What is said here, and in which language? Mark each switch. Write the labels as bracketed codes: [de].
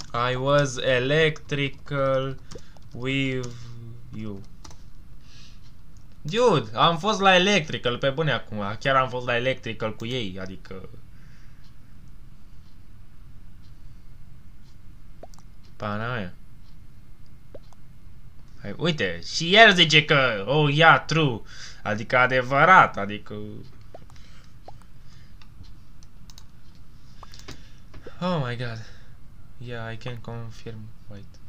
[en] I was electrical with you. [ro] Dude, am fost la electrical, pe bune acum. Chiar am fost la electrical cu ei, adică... Pana mea. Uite, și el zice că, [en] oh, yeah, true, [ro] adică adevărat, adică... [en] Oh my god, yeah, I can confirm, wait.